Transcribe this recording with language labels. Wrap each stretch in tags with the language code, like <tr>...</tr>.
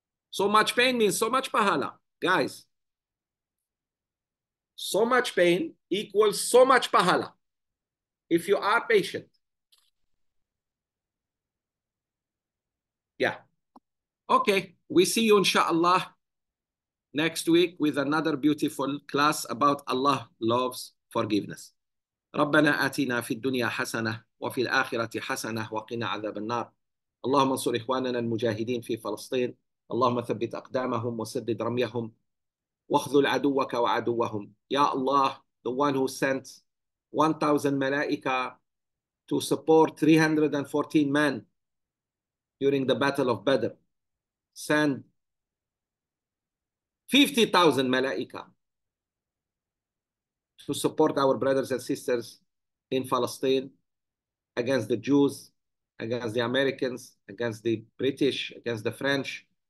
<en>So much pain means so much pahala. Guys, so much pain equals so much pahala. If you are patient. Yeah. Okay. We see you, inshallah, next week with another beautiful class about Allah loves forgiveness.</en> <ar>ربنا آتنا في الدنيا حسنة وفي الآخرة حسنة وقنا عذاب النار. اللهم انصر إخواننا المجاهدين في فلسطين. اللهم ثبت أقدامهم وسدد رميهم واخذل عدوك وعدوهم.</ar> <en>يا الله, the one who sent 1,000 ملائكة to support 314 men during the Battle of Badr, send 50,000 ملائكة to support our brothers and sisters in Palestine against the Jews, against the Americans, against the British, against the French.</en>